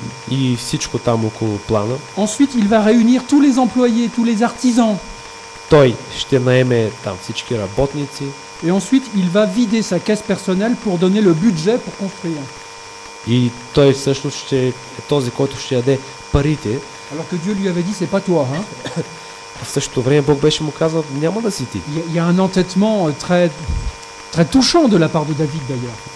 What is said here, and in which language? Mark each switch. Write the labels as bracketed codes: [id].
[bg] И всичко там около плана. [fr] Ensuite, il va réunir tous les employés, tous les artisans. [bg] Той ще наеме там всички работници. [fr] Et ensuite, il va vider sa caisse personnelle pour donner le budget pour construire. [bg] И той всъщност ще е този, който ще яде парите. [fr] Alors que Dieu lui avait dit, c'est pas toi, hein? [bg] В същото време Бог беше му казал, няма да си ти. [fr] Il y a un entêtement très très touchant de la part de David d'ailleurs.